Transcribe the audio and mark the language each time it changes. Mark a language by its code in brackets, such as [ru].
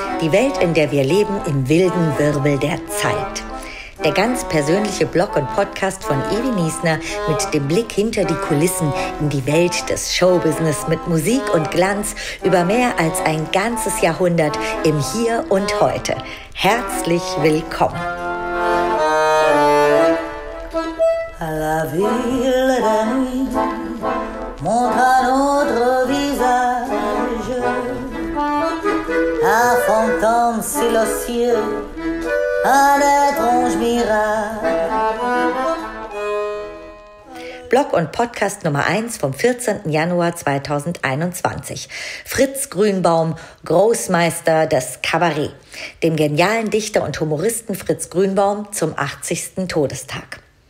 [de] Die Welt, in der wir leben, im wilden Wirbel der Zeit. Der ganz persönliche Blog und Podcast von Evi Niesner mit dem Blick hinter die Kulissen in die Welt des Showbusiness mit Musik und Glanz über mehr als ein ganzes Jahrhundert im Hier und Heute. Herzlich willkommen. [fr] La ville de nuit montre un autre visage. Un fantôme silencieux, un étrange mirage. [de] Blog und Podcast Nummer 1 vom 14. Januar 2021. Fritz Grünbaum, Großmeister des Kabarett. Dem genialen Dichter und Humoristen Fritz Grünbaum zum 80. Todestag.